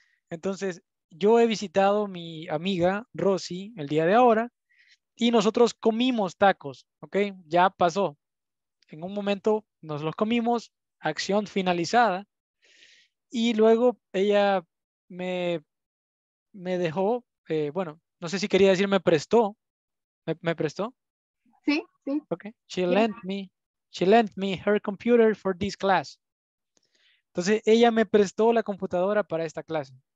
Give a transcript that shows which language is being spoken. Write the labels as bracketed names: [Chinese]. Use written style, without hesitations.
[Spanish] Entonces, yo he visitado mi amiga Rosy el día de ahora y nosotros comimos tacos. Okay. Ya pasó. En un momento nos los comimos. Acción finalizada. Y luego ella me dejó, bueno, no sé si quería decir me prestó. ¿Me prestó? Sí, sí. Okay. [English] She lent me her computer for this class. [Spanish] Entonces ella me prestó la computadora para esta clase.